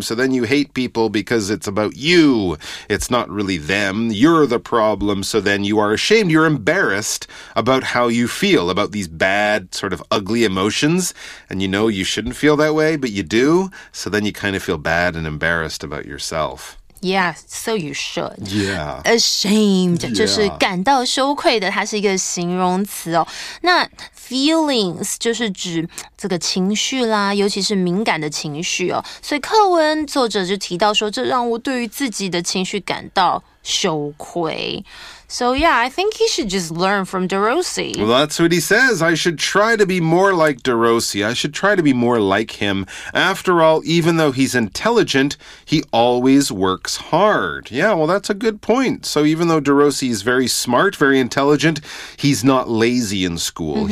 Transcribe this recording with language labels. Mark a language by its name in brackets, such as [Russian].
[English] So then you hate people because it's about you. It's not really them. You're the problem, so then you are ashamed. You're embarrassed about how you feel, about these bad, sort of ugly emotions. And you know you shouldn't feel that way, but you do. So then you kind of feel bad and embarrassed about yourself. Yeah, so you should. Yeah. Ashamed, yeah. [Chinese] 就是感到羞愧的，它是一个形容词哦。那 feelings 就是指这个情绪啦，尤其是敏感的情绪哦。所以课文作者就提到说，这让我对于自己的情绪感到羞愧。 [English] So yeah, I think he should just learn from DeRossi. Well, that's what he says. I should try to be more like DeRossi. I should try to be more like him. After all, even though he's intelligent, he always works hard. Yeah, well, that's a good point. So even though DeRossi is very smart, very intelligent, he's not lazy in school.